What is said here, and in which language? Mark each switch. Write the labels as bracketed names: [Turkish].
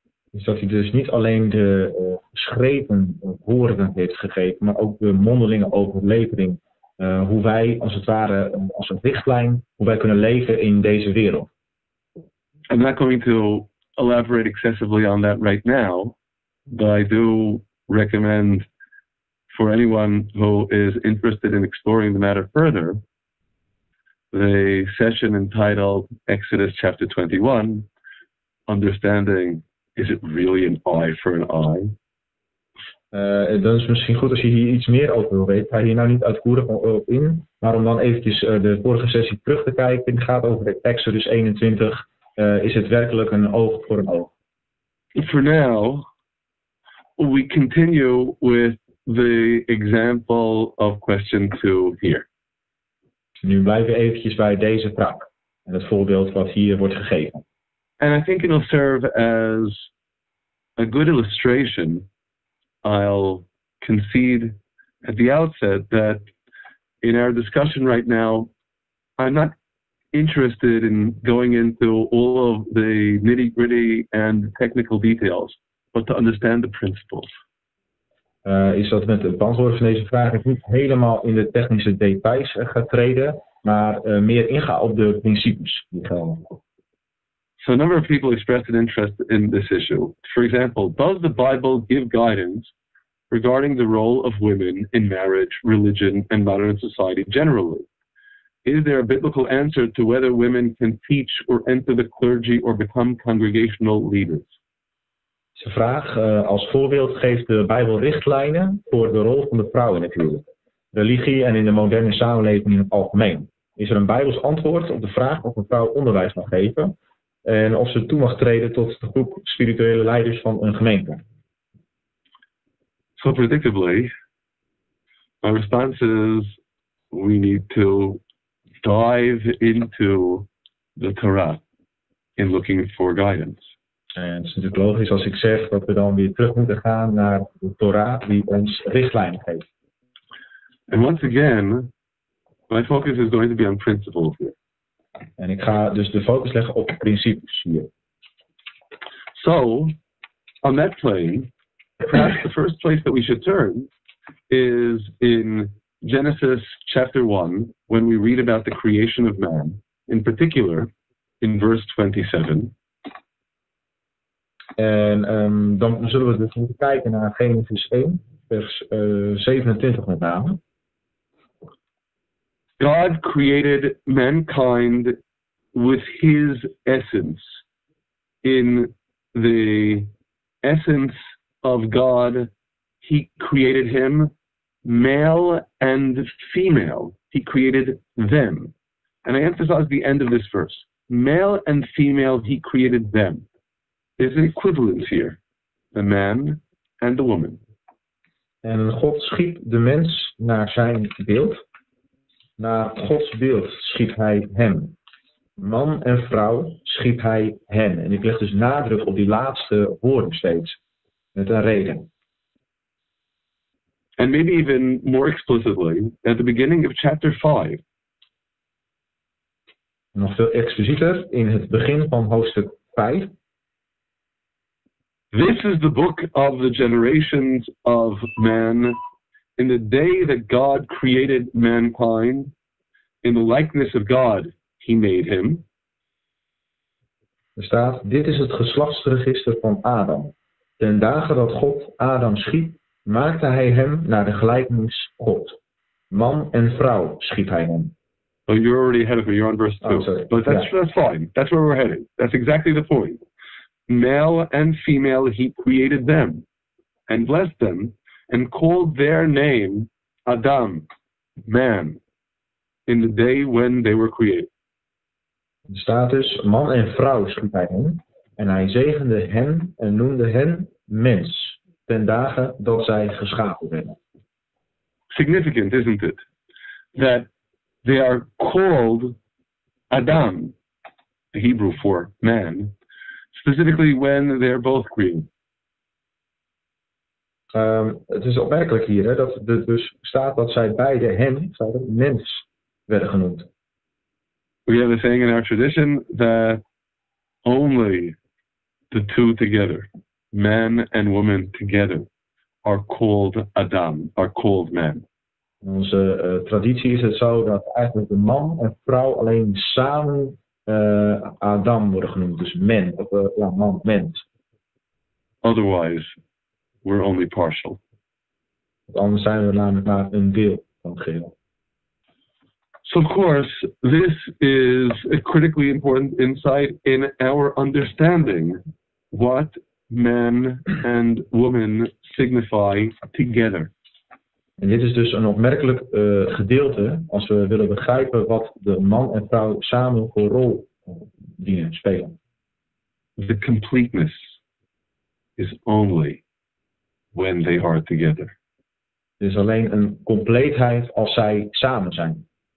[Dutch] Is dat hij dus niet alleen de geschreven woorden heeft gegeven, maar ook de mondelinge overlevering hoe wij als het ware, als een richtlijn, hoe wij kunnen leven in deze wereld. [English] I'm not going to elaborate excessively on that right now, but I do recommend for anyone who is interested in exploring the matter further, the session entitled Exodus chapter 21, Understanding, is it really an eye for an eye? [Dutch] Dan is het misschien goed als je hier iets meer over wil weten. Ga hier nou niet uitvoerig op in, maar om dan eventjes de vorige sessie terug te kijken. Het gaat over de Exodus 21. Is het werkelijk een oog voor een oog? [English] For now, we continue with the example of question 2 here. [Dutch] Nu blijven we eventjes bij deze vraag. En het voorbeeld wat hier wordt gegeven. [English] And I think it'll serve as a good illustration. I'll concede at the outset that in our discussion right now, I'm not interested in going into all of the nitty-gritty and technical details, but to understand the principles. [Dutch] Is dat met het beantwoorden van deze vraag ik niet helemaal in de technische details gaat treden, maar meer ingaan op de principes die gelden. [English] So a number of people expressed an interest in this issue. For example, does the Bible give guidance regarding the role of women in marriage, religion, and modern society generally? Is there a biblical answer to whether women can teach or enter the clergy or become congregational leaders? [Dutch] De vraag als voorbeeld geeft de Bijbel richtlijnen voor de rol van de vrouw in het huwelijk, religie en in de moderne samenleving in het algemeen. Is er een Bijbels antwoord op de vraag of een vrouw onderwijs mag geven en of ze toe mag treden tot de groep spirituele leiders van een gemeente? [English] So predictably, my response is we need to dive into the Torah in looking for guidance. [Dutch] En het is natuurlijk logisch als ik zeg dat we dan weer terug moeten gaan naar de Torah die ons richtlijn geeft. [English] And once again, my focus is going to be on principles here. [Dutch] En ik ga dus de focus leggen op principes hier. [English] So, on that plane, perhaps the first place that we should turn is in Genesis chapter 1, when we read about the creation of man, in particular in verse 27. [Dutch] En dan zullen we dus moeten kijken naar Genesis 1, vers 27 met name. [English] God created mankind with his essence. In the essence of God, he created him male and female. He created them. And I emphasize the end of this verse. Male and female, he created them. There's an equivalence here. The man and the woman. [Dutch] En God schiep de mens naar zijn beeld. Naar Gods beeld schiep hij hem. Man en vrouw schiep hij hen. En ik leg dus nadruk op die laatste woorden steeds. Met een reden. [English] And maybe even more explicitly, at the beginning of chapter 5. [Dutch] Nog veel explicieter, in het begin van hoofdstuk 5. [English] This is the book of the generations of man. In the day that God created mankind, in the likeness of God, he made him. [Dutch] Er staat, dit is het geslachtsregister van Adam. Ten dagen dat God Adam schiep, maakte hij hem naar de gelijkenis God. Man en vrouw schiep hij hem. [English] Oh, you're already ahead of me, you're on verse 2. Oh, sorry. But that's fine, that's where we're heading. That's exactly the point. Male and female, he created them and blessed them. And called their name Adam, man, in the day when they were created. [Dutch] De status man en vrouw schiep hij hen, en hij zegende hen en noemde hen mens, ten dagen dat zij geschapen werden. [English] Significant, isn't it? That they are called Adam, the Hebrew for man, specifically when they're both created. [Dutch] Het is opmerkelijk hier, hè, dat er dus staat dat zij beide hen, zij de mens, werden genoemd. [English] We have a saying in our tradition that only the two together, man and woman together, are called Adam, are called man. [Dutch] In onze traditie is het zo dat eigenlijk de man en vrouw alleen samen Adam worden genoemd. Dus men, of ja, man, mens. [English] Otherwise, we're only partial. [Dutch] Want anders zijn we namelijk maar een deel van het geheel. [English] So of course, this is a critically important insight in our understanding what men and women signify together. [Dutch] En dit is dus een opmerkelijk gedeelte als we willen begrijpen wat de man en vrouw samen voor rol dienen spelen. [English] The completeness is only when they are together. [Dutch] Het is alleen een compleetheid als zij samen zijn.